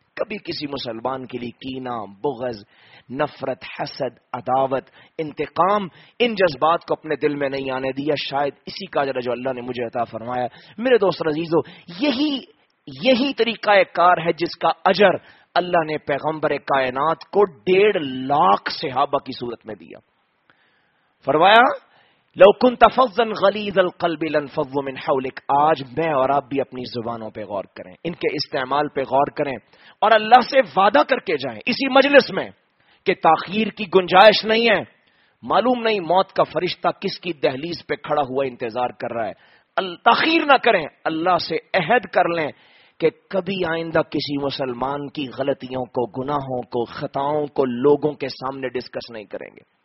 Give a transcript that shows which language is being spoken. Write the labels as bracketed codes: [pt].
[ur] کبھی کسی مسلمان کے لیے کینہ، بغض، نفرت، حسد، عداوت، انتقام، ان جذبات کو اپنے دل میں نہیں آنے دیا. شاید اسی کا اجر جو اللہ نے مجھے عطا فرمایا. میرے دوست عزیزو، یہی طریقہ کار ہے جس کا اجر اللہ نے پیغمبر کائنات کو 1.5 لاکھ صحابہ کی صورت میں دیا. [ar] فرمایا، لو كنت فظا غليظ القلب لانفضوا من حولك. [ur] آج میں اور آپ بھی اپنی زبانوں پہ غور کریں، ان کے استعمال پہ غور کریں، اور اللہ سے وعدہ کر کے جائیں اسی مجلس میں کہ تاخیر کی گنجائش نہیں ہے. معلوم نہیں موت کا فرشتہ کس کی دہلیز پہ کھڑا ہوا انتظار کر رہا ہے. تاخیر نہ کریں، اللہ سے عہد کر لیں کہ کبھی آئندہ کسی مسلمان کی غلطیوں کو، گناہوں کو، خطاؤں کو لوگوں کے سامنے ڈسکس نہیں کریں گے.